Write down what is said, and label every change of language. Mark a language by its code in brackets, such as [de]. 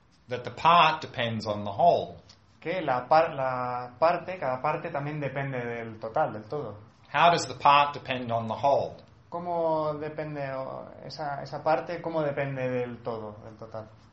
[en] that the part depends on the whole. [es] Que la parte, cada parte también depende del total, del todo. [en] How does the part depend on the whole? [es] ¿Cómo depende esa parte, cómo depende del todo, del total?